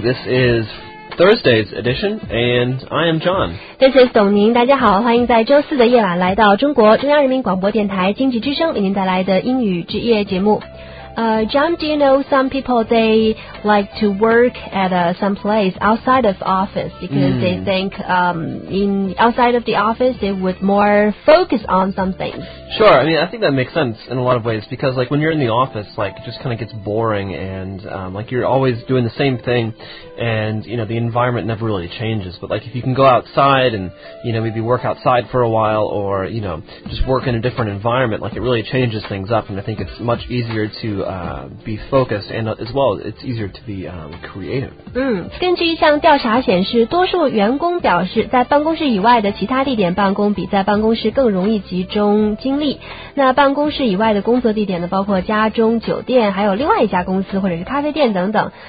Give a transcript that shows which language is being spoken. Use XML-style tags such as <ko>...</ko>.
<en>This is Thursday's edition, and I am John. This is</en> <zh>董宁。大家好，欢迎在周四的夜晚来到中国中央人民广播电台经济之声为您带来的英语之夜节目。</zh> <en>John, do you know some people, they like to work at some place outside of office because they think in outside of the office, they would more focus on some things. Sure. I mean, I think that makes sense in a lot of ways because, like, when you're in the office, like, it just kind of gets boring and, like, you're always doing the same thing and, you know, the environment never really changes. But, like, if you can go outside and, you know, maybe work outside for a while or, you know, just work in a different environment, like, it really changes things up. And I think it's much easier to,be focused and as well it's easier to be creative.</en> <zh>根据一项调查显示多数员工表示在办公室以外的其他地点办公比在办公室更容易集中精力。那办公室以外的工作地点呢包括家中酒店还有另外一家公司或者是咖啡店等等。</zh>